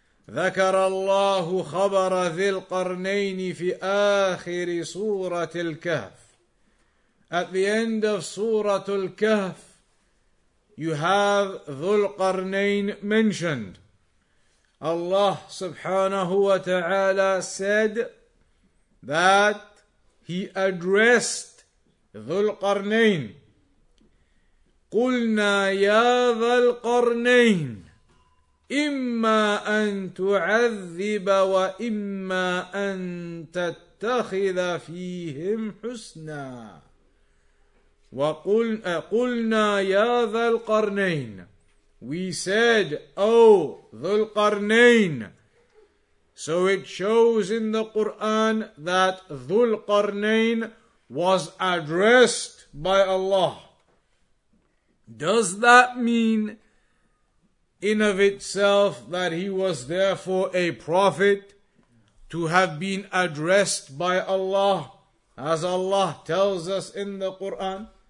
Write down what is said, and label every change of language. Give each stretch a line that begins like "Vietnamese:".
Arabic: ذكر الله خبر ذي القرنين في آخر سورة الكهف.
English: At the end of Surah Al-Kahf, you have Dhul-Qarnayn mentioned. Allah subhanahu wa ta'ala said that he addressed Dhul-Qarnayn.
Arabic: قلنا يا ذا القرنين إِمَّا أَن تُعَذِّبَ وَإِمَّا أَن تَتَّخِذَ فِيهِمْ حُسْنًا وَقُلْنَا يَا ذَا الْقَرْنَيْنِ.
English: We said, Dhul-Qarnayn. So it shows in the Quran that Dhul-Qarnayn was addressed by Allah. Does that mean in of itself that he was therefore a prophet to have been addressed by Allah, as Allah tells us in the Quran?